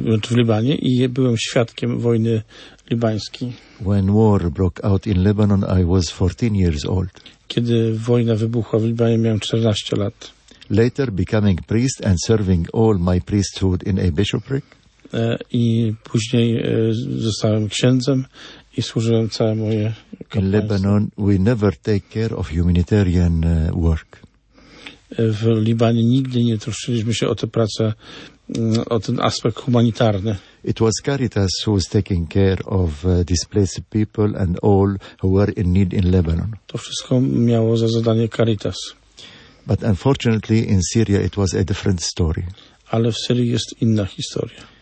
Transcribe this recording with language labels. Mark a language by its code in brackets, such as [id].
[pl] W Libanie i byłem świadkiem wojny libańskiej. [en] When war broke out in Lebanon, I was 14 years old. [pl] Kiedy wojna wybuchła w Libanie, miałem 14 lat. [en] Later becoming priest and serving all my priesthood in a bishopric. [pl] I później zostałem księdzem i służyłem całe moje kapłaństwo. [en] In Lebanon we never take care of humanitarian work. [pl] W Libanie nigdy nie troszczyliśmy się o tę pracę, o ten aspekt humanitarny. [en] It was Caritas who was taking care of displaced people and all who were in need in Lebanon. [pl] To wszystko miało za zadanie Caritas. [en] But unfortunately in Syria it was a different story. [pl] Ale w Syrii jest inna historia.